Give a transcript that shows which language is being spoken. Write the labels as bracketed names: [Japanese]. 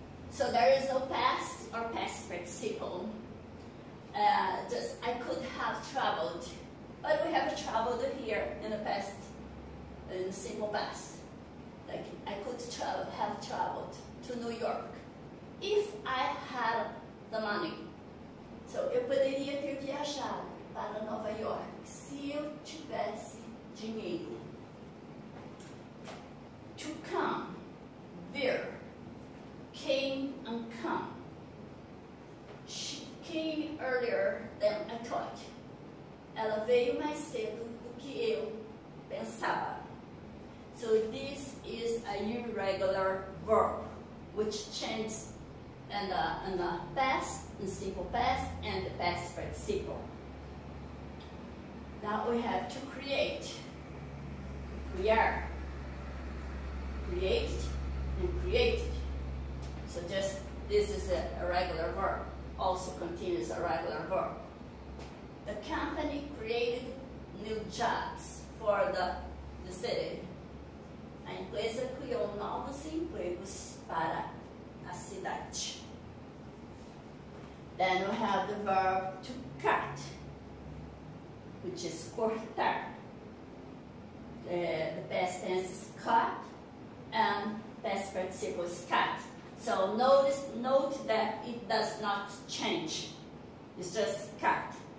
[English] So there is no past or past participle. Just I could have traveled, but we have traveled here in the past, in the simple past. Like I could have traveled to New York if I had the money. [Portuguese] So eu poderia ter viajado para Nova York se eu tivesse dinheiro. [English] To come, vir, came and come. She came earlier than I thought. [Portuguese] Ela veio mais cedo do que eu pensava. [English] So this is a irregular verb which changes in the past, in simple past, and the past participle. Now we have to create. Criar, created, and created. So just, this is a regular verb, also continues a regular verb. The company created new jobs for the city. [Portuguese] A empresa criou novos empregos para a cidade. [English] Then we have the verb to cut, which is cortar. The past tense is cut and past participle is cut. So note that it does not change. It's just cut.